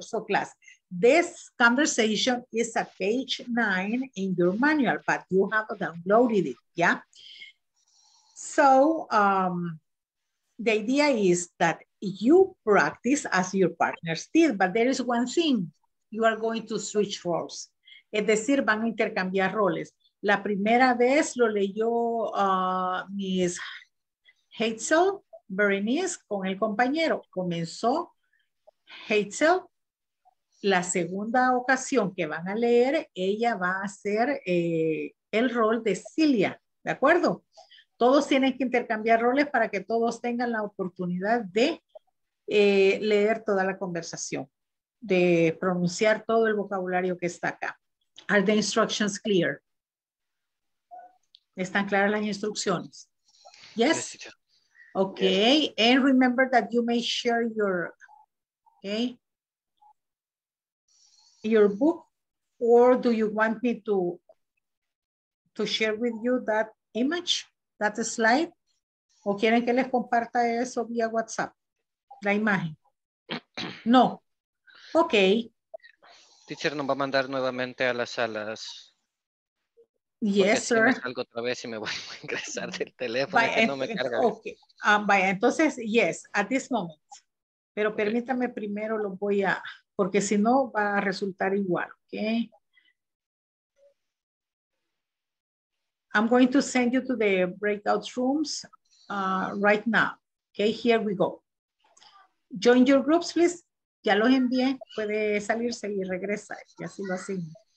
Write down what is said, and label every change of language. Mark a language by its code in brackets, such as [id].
[en] So class, this conversation is at page 9 in your manual, but you have downloaded it, yeah? So the idea is that you practice as your partners did, but there is one thing. You are going to switch roles. [es] Es decir, van a intercambiar roles. La primera vez lo leyó Miss Hetzel Berenice con el compañero. Comenzó Hetzel. La segunda ocasión que van a leer, ella va a hacer el rol de Celia. ¿De acuerdo? Todos tienen que intercambiar roles para que todos tengan la oportunidad de leer toda la conversación, de pronunciar todo el vocabulario que está acá. Are the instructions clear? ¿Están claras las instrucciones? Yes? Okay, yes. [en] And remember that you may share your, okay, your book, or do you want me to to share with you that image, that slide? [es] ¿O quieren que les comparta eso vía WhatsApp? La imagen. No. Ok. Teacher nos va a mandar nuevamente a las salas. [en] Yes, sir. [es] Porque si me salgo otra vez y me voy a ingresar del teléfono, que no me [en] carga. Okay. Entonces, yes, at this moment. Pero okay. [es] Permítame primero, lo voy a, porque si no va a resultar igual, ok. [en] I'm going to send you to the breakout rooms right now. Okay, here we go. Join your groups, please. [es] Ya los envié, puede salirse y regresa, y así lo asigno.